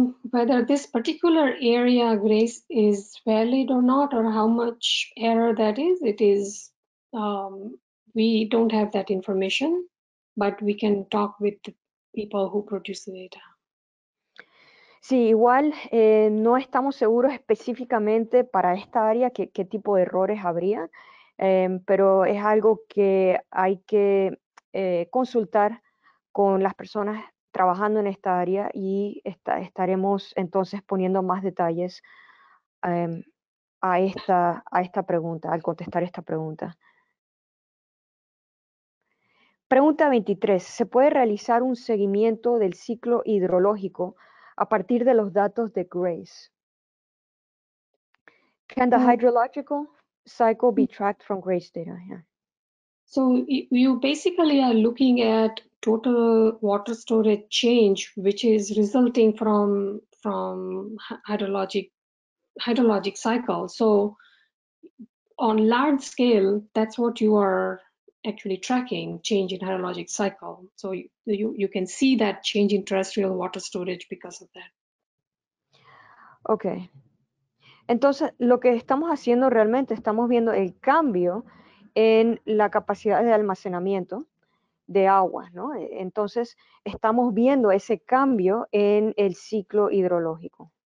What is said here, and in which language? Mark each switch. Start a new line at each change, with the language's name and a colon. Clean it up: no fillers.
English: Whether this particular area Grace is valid or not, or how much error that is, it is, we don't have that information, but we can talk with the people who produce the data.
Spanish: Sí, igual no estamos seguros específicamente para esta área qué tipo de errores habría, pero es algo que hay que consultar con las personas trabajando en esta área y estaremos entonces poniendo más detalles a esta pregunta, al contestar esta pregunta. Pregunta 23. ¿Se puede realizar un seguimiento del ciclo hidrológico a partir de los datos de Grace?
English: Can the hydrological cycle be tracked from Grace data? Yeah. So you basically are looking at total water storage change, which is resulting from hydrologic cycle. So on large scale, that's what you are actually tracking, change in hydrologic cycle. So you can see that change in terrestrial water storage because of that. Okay.
Spanish: Entonces, lo que estamos haciendo realmente, estamos viendo el cambio en la capacidad de almacenamiento de agua, ¿no? Entonces, estamos viendo ese cambio en el ciclo hidrológico.